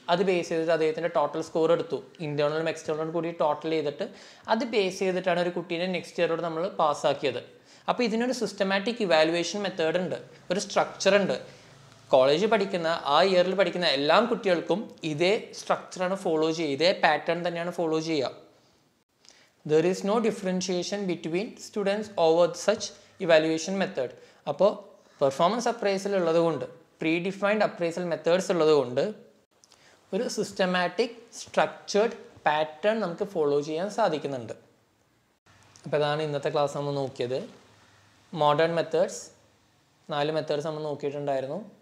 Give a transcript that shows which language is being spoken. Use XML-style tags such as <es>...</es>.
<ml>അത് ബേസ് ചെയ്തിട്ട് അദ്ദേഹത്തിൻ്റെ ടോട്ടൽ സ്കോർ എടുത്തു, ഇൻറ്റേർണലും എക്സ്റ്റേർണലും കൂടി ടോട്ടൽ ചെയ്തിട്ട് അത് ബേസ് ചെയ്തിട്ടാണ് ഒരു കുട്ടീനെ നെക്സ്റ്റ് ഇയറോട് നമ്മൾ പാസ്സാക്കിയത്. അപ്പോൾ ഇതിനൊരു സിസ്റ്റമാറ്റിക് ഇവാലുവേഷൻ മെത്തേഡ് ഉണ്ട്, ഒരു സ്ട്രക്ചർ ഉണ്ട്. കോളേജിൽ പഠിക്കുന്ന, ആ ഇയറിൽ പഠിക്കുന്ന എല്ലാ കുട്ടികൾക്കും ഇതേ സ്ട്രക്ചറാണ് ഫോളോ ചെയ്യുക, ഇതേ പാറ്റേൺ തന്നെയാണ് ഫോളോ ചെയ്യുക.</ml> <en>There is no differentiation between students over such evaluation method.</en> <ml>അപ്പോൾ പെർഫോമൻസ് അപ്രൈസൽ ഉള്ളതുകൊണ്ട്, പ്രീ ഡിഫൈൻഡ് അപ്രൈസൽ മെത്തേഡ്സ് ഉള്ളതുകൊണ്ട് ഒരു സിസ്റ്റമാറ്റിക് സ്ട്രക്ചേർഡ് പാറ്റേൺ നമുക്ക് ഫോളോ ചെയ്യാൻ സാധിക്കുന്നുണ്ട്. അപ്പോൾ ഇതാണ് ഇന്നത്തെ ക്ലാസ് നമ്മൾ നോക്കിയത്. മോഡേൺ മെത്തേഡ്സ്, 4 മെത്തേഡ്സ് നമ്മൾ നോക്കിയിട്ടുണ്ടായിരുന്നു.</ml>